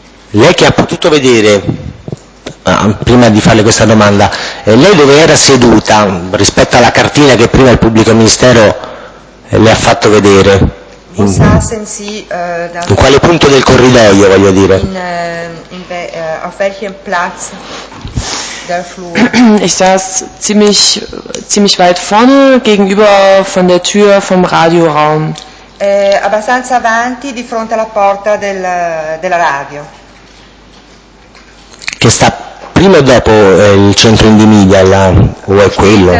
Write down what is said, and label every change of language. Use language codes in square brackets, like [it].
[it] Lei che ha potuto vedere, prima di farle questa domanda, lei dove era seduta rispetto alla cartina che prima il pubblico ministero le ha fatto vedere? In quale punto del corridoio, voglio dire? [de] Auf welchem Platz der Flur? Ich saß ziemlich weit vorne, gegenüber von der Tür vom Radioraum. [it] Abbastanza avanti di fronte alla porta della radio. Che sta prima o dopo il centro Indimedia, o è quello?